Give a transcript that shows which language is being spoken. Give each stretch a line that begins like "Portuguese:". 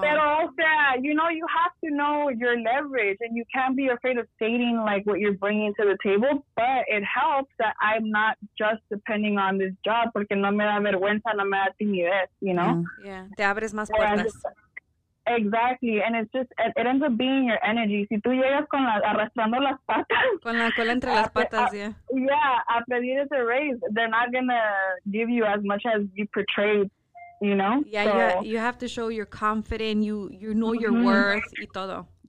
English: But also, you know, you have to know your leverage, and you can't be afraid of stating, like, what you're bringing to the table. But it helps that I'm not just depending on this job,
Spanish: porque no me da vergüenza, no me da timidez,
English: you know?
Spanish: Yeah, te abres más puertas.
English: Exactly, and it's just, it ends up being your energy.
Spanish: Si tú llegas con la, arrastrando las patas. Con la cola entre las patas, yeah.
English: Yeah,
Spanish: a pedir ese raise,
English: they're not going to give you as much as you portrayed, you know? Yeah, so, you have to show you're confident, you know your worth,
Spanish: y todo.